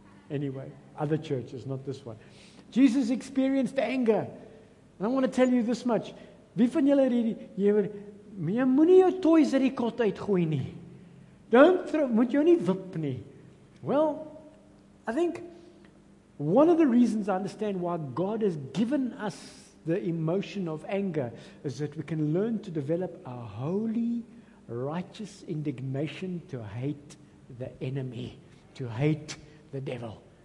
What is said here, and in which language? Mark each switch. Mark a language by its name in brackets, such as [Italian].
[English] Anyway, other churches, not this one. Jesus experienced anger. And I want to tell you this much. [Afrikaans] Wie van julle het hier, jy moenie jou toys uit die kot uitgooi nie. Moet jou nie wip nie. [English] Well, I think one of the reasons I understand why God has given us the emotion of anger is that we can learn to develop a holy, righteous indignation to hate the enemy, to hate the devil.